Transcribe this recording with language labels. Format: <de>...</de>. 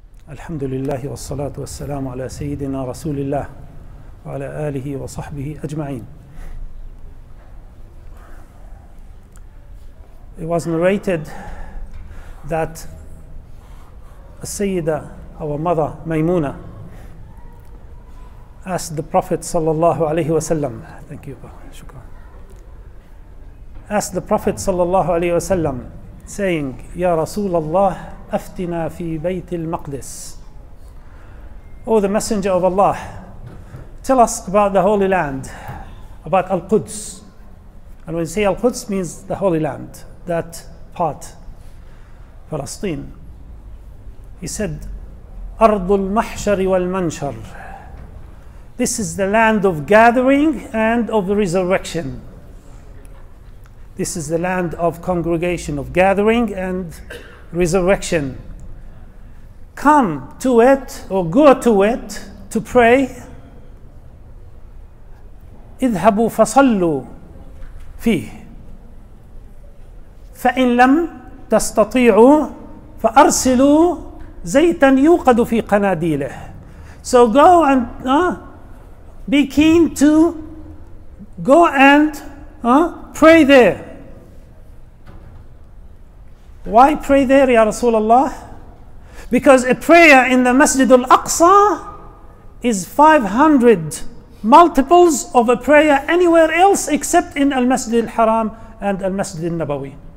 <ar>الحمد لله والصلاة والسلام على سيدنا رسول الله وعلى آله وصحبه أجمعين.</ar> <en>It was narrated that a Sayyida, our mother Maymuna, asked the Prophet صلى الله عليه وسلم. Thank you.</en> <ar>شكرا.</ar> <en>Asked the Prophet صلى الله عليه وسلم, saying,</en> <ar>يا رسول الله أفتنا في بيت المقدس.</ar> <en>Oh, the Messenger of Allah, tell us about the Holy Land, about Al-Quds. And when you say Al-Quds, means the Holy Land, that part, Palestine. He said,</en> <ar>Ardul Mahshari wal Manshar.</ar> <en>This is the land of gathering and of resurrection. This is the land of congregation, of gathering and resurrection. Come to it, or go to it, to pray.</en> <ar>اذهبوا فصلوا فيه فإن لم تستطيعوا فأرسلوا زيتا يوقد في قناديله.</ar> <en>So go and be keen to go and pray there. Why pray there, Ya Rasulullah? Because a prayer in the Masjid al-Aqsa is 500 multiples of a prayer anywhere else except in al-Masjid al-Haram and al-Masjid al-Nabawi.</en>